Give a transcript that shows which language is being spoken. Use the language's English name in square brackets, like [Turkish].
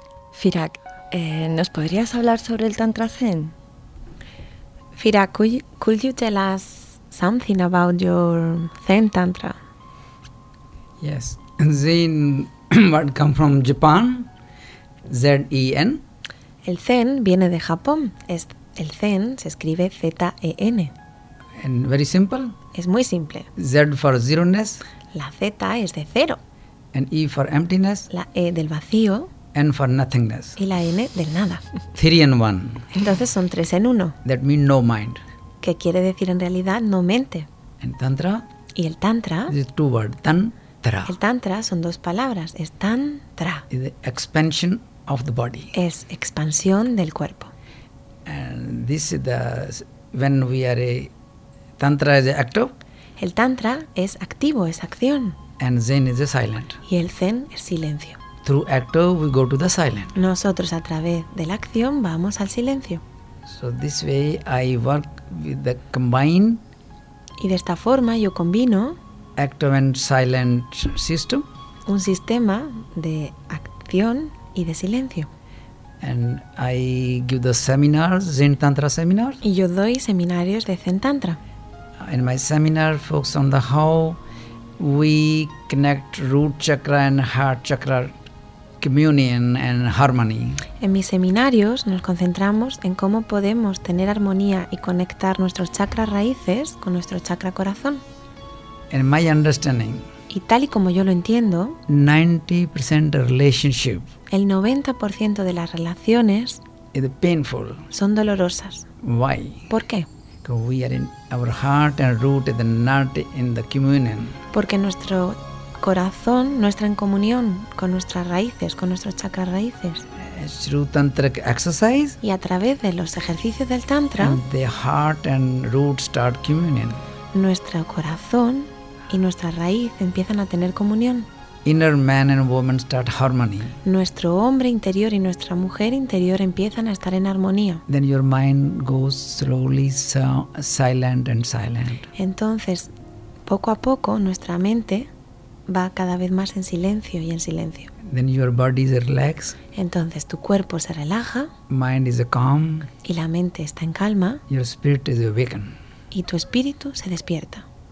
[Spanish] Firak, ¿nos podrías hablar sobre el Tantra Zen? [English] Firak, could you tell us something about your Zen Tantra? Yes, Zen word come from Japan, Z-E-N. [Spanish] El Zen viene de Japón. El Zen se escribe Z-E-N. [English] And very simple. [Spanish] Es muy simple. [English] Z for zeroness. [Spanish] La Z es de cero. [English] And E for emptiness. [Spanish] La E del vacío. [English] N for nothingness. [Spanish] Y la N del nada. [English] Three and one. [Spanish] Entonces son tres en uno. [English] That means no mind. [Spanish] Que quiere decir en realidad no mente. En tantra. Y el tantra. [English] Is two word. Tantra. [Spanish] El tantra son dos palabras. Es tantra. [English] Is the expansion of the body. [Spanish] Es expansión del cuerpo. [English] And this is the when we are a tantra is active. [Spanish] El tantra es activo, es acción. [English] And Zen is silent. [Spanish] Y el Zen es silencio. [English] Through acto we go to the silent. [Spanish] Nosotros a través de la acción vamos al silencio. [English] So this way I work with the combine. [Spanish] Y de esta forma yo combino [English] active and silent system. [Spanish] Un sistema de acción y de silencio. [English] And I give the seminars, Zen Tantra seminars. [Spanish] Y yo doy seminarios de Zen Tantra. [English] In my seminar focus on the how we connect root chakra and heart chakra. Communion and harmony. [Spanish] En mis seminarios nos concentramos en cómo podemos tener armonía y conectar nuestros chakras raíces con nuestro chakra corazón. [English] In my understanding, [Spanish] y tal y como yo lo entiendo, [English] 90% relationship, [Spanish] el 90% de las relaciones [English] is painful. [Spanish] Son dolorosas. [English] Why? [Spanish] ¿Por qué? [English] We are in our heart and root and not in the communion. [Spanish] Porque nuestro corazón no está en comunión con nuestras raíces, con nuestros chakras raíces. [English] Through tantric exercise, [Spanish] y a través de los ejercicios del tantra, [English] and the heart and root start communion. [Spanish] Nuestro corazón y nuestra raíz empiezan a tener comunión. [English] Inner man and woman start harmony. [Spanish] Nuestro hombre interior y nuestra mujer interior empiezan a estar en armonía. [English] Then your mind goes slowly, so, silent and silent. [Spanish] Entonces, poco a poco, nuestra mente va cada vez más en silencio y en silencio. [English] Then your body is relaxed. [Spanish] Entonces tu cuerpo se relaja. [English] Mind is calm. [Spanish] Y la mente está en calma. [English] Your spirit is awakened. [Spanish] Y tu espíritu se despierta.